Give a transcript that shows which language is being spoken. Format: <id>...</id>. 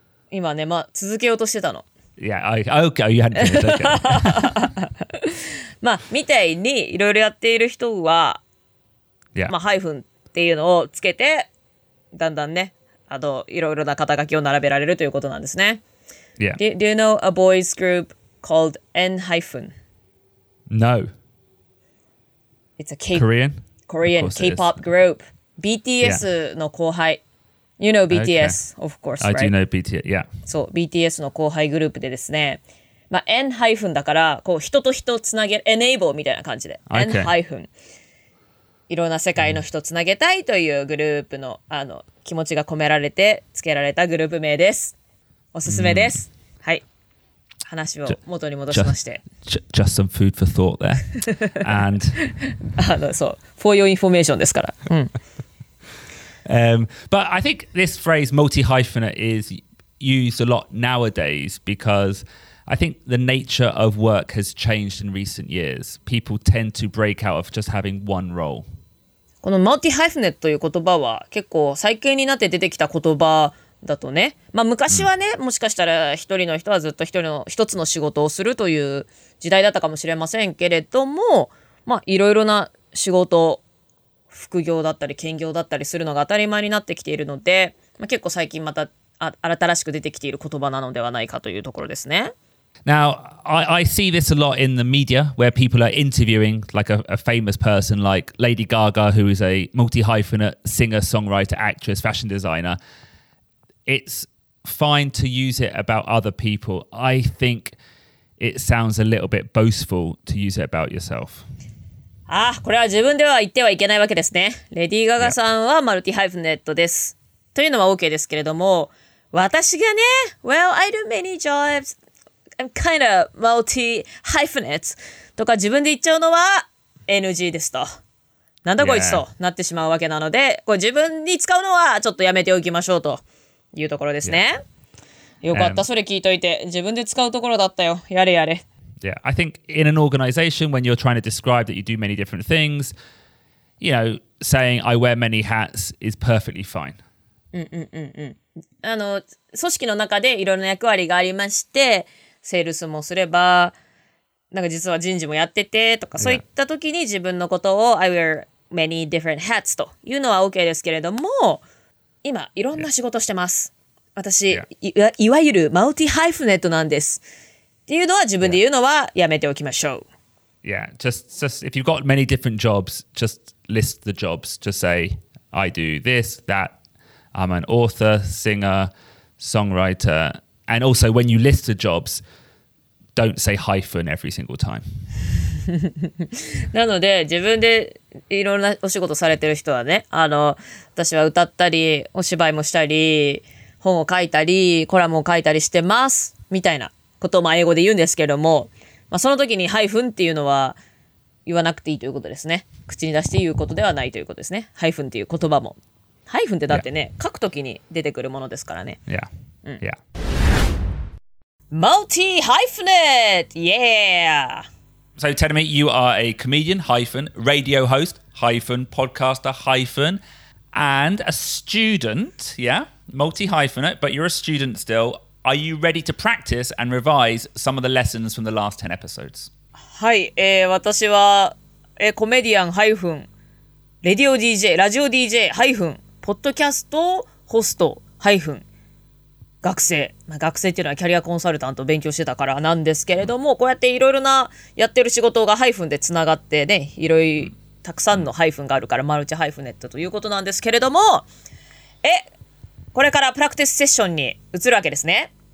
<ja>今ね、まあ、続けようとしてたの。</ja> <en>Yeah, okay, you hadn't finished, okay.</en> <ja>まあ、みたいにいろいろやっている人は、</ja> <en>yeah.</en> <ja>まあ、ハイフンっていうのをつけて、だんだんね、あの、いろいろな肩書きを並べられるということなんですね。</ja> <en>Yeah. Do you know a boys group called N-hyphen? No. It's a Korean? Korean K-pop group.</en> <ja>BTS の後輩。</ja> <en>Yeah. You know BTS,、okay. of course, right? I do know BTS, yeah.</en> <ja>そう、BTS の後輩グループでですね。まあ、N-hyphen だから、こう、人と人をつなげる、enable みたいな感じで。</ja> <en>Okay.</en> <ja>N-hyphen。いろんな世界の人つなげたいというグループの、あの、気持ちが込められてつけられたグループ名です。おすすめです。はい。話を元に戻しまして</ja> <en>just some food for thought there and</en> <ja>そう</ja> <en>for your information</en> <ja>ですから、</ja> <en>うん、but I think this phrase multi-hyphenate is used a lot nowadays because I think the nature of work has changed in recent years. People tend to break out of just having one role.</en> <ja>この multi-hyphenate という言葉は結構最近になって出てきた言葉だとね、まあ、昔はね、うん、もしかしたら一人の人はずっと一人の一つの仕事をするという時代だったかもしれませんけれども、まあ、いろいろな仕事副業だったり兼業だったりするのが当たり前になってきているので、まあ、結構最近また新しく出てきている言葉なのではないかというところですね。</ja> <en>Now, I see this a lot in the media where people are interviewing like a famous person like Lady Gaga who is a multi-hyphenate singer, songwriter, actress, fashion designerIt's fine to use it about other people. I think it sounds a little bit boastful to use it about yourself.</en> <ja>Ah, これは自分では言ってはいけないわけですね。レディーガガさんはマルティハイフネットです。というのは OK ですけれども、私がね、</ja> <en>Well, I do many jobs. I'm kind of multi-hyphenate.</en> <ja>とか自分で言っちゃうのは NG ですと。なんだこいつとなってしまうわけなので、これ自分に使うのはちょっとやめておきましょうと。いうところですね。よかった、それ聞いといて。自分で使うところだったよ。やれやれ。</ja> <en>Yeah, I think in an organization, when you're trying to describe that you do many different things, you know, saying I wear many hats is perfectly fine.</en> <ja>あの、組織の中でいろいろな役割がありまして、セールスもすれば、なんか実は人事もやっててとか、そういった時に自分のことを</ja> <en>I wear many different hats</en> <ja>というのは OK ですけれども、今いろんな仕事してます。私、yeah. いわゆるマルティハイフネットなんです。っていうのは自分で言うのはやめておきましょう。</ja> <en>Yeah, just if you've got many different jobs, just list the jobs. Just say, I do this, that. I'm an author, singer, songwriter. And also, when you list the jobs, don't say hyphen every single time.</en> <ja>なので自分でいろんなお仕事されてる人はね、あの、私は歌ったりお芝居もしたり本を書いたりコラムを書いたりしてますみたいなことをまあ英語で言うんですけども、まあ、その時にハイフンっていうのは言わなくていいということですね。口に出して言うことではないということですね。ハイフンっていう言葉も、ハイフンってだってね、</ja> <en>yeah.</en> <ja>書く時に出てくるものですからね。いや、うん、いや、マルティハイフネット、イエー。</ja> <en>So tell me, you are a comedian, hyphen, radio host, hyphen, podcaster, hyphen, and a student, yeah, multi-hyphenate, but you're a student still. Are you ready to practice and revise some of the lessons from the last 10 episodes?</en> <ja>はい、私は、コメディアン、ハイフン、レディオ DJ、ラジオ DJ、ハイフン、ポッドキャスト、ホスト、ハイフン、学生、まあ、学生っていうのはキャリアコンサルタント勉強してたからなんですけれども、こうやっていろいろなやってる仕事がハイフンでつながってね、いろいろたくさんのハイフンがあるからマルチハイフネットということなんですけれども、これからプラクティスセッションに移るわけですね。</ja>